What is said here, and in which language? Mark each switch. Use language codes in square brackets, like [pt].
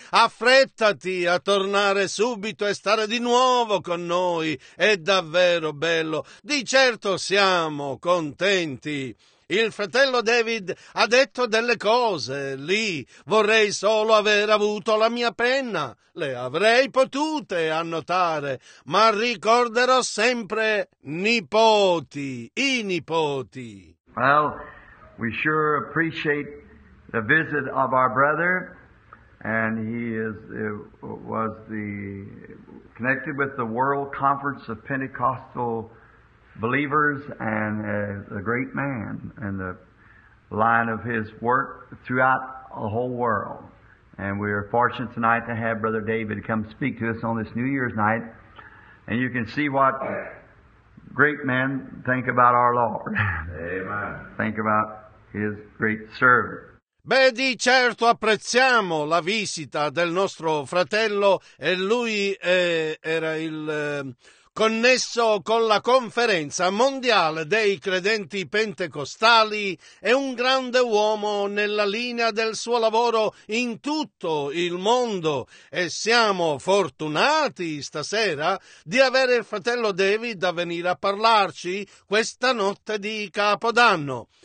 [it] Affrettati a tornare subito e stare di nuovo con noi. È davvero bello. Di certo siamo contenti. Il fratello David ha detto delle cose lì. Vorrei solo aver avuto la mia penna. Le avrei potute annotare, ma ricorderò sempre nipoti, i nipoti. [en] Well, we sure appreciate the visit of our brother, and he is was the connected with the World Conference of Pentecostal Believers, and a great man in the line of his work throughout the whole world. And we are fortunate tonight to have Brother David come speak to us on this New Year's night. And you can see what great men think about our Lord. Amen. Think about his great service. [it] Beh, di certo apprezziamo la visita del nostro fratello, e lui era il connesso con la Conferenza Mondiale dei Credenti Pentecostali. È un grande uomo nella linea del suo lavoro in tutto il mondo, e siamo fortunati stasera di avere il fratello David a venire a parlarci questa notte di Capodanno.